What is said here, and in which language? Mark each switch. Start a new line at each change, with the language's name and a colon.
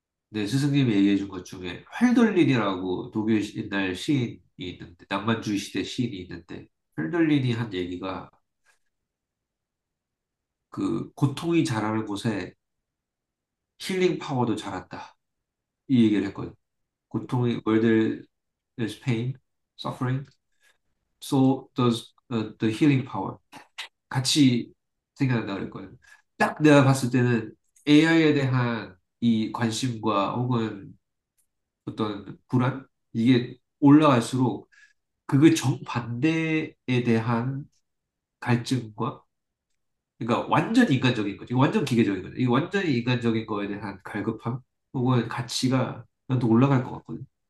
Korean: 네, 스승님이 얘기해준 것 중에 헐돌린이라고 독일 옛날 시인이 있는데, 낭만주의 시대 시인이 있는데, 헐돌린이 한 얘기가 그 고통이 자라는 곳에 힐링 파워도 자랐다, 이 얘기를 했거든. 고통이
English: where there is pain, suffering, so does the healing power.
Korean: 같이 생각한다 그랬거든. 딱 내가 봤을 때는 AI에 대한 이 관심과 혹은 어떤 불안, 이게 올라갈수록 그게 정반대에 대한 갈증과, 그러니까 완전 인간적인 거지, 완전 기계적인 거지, 이 완전히 인간적인 거에 대한 갈급함 혹은 가치가 난또 올라갈 것 같거든.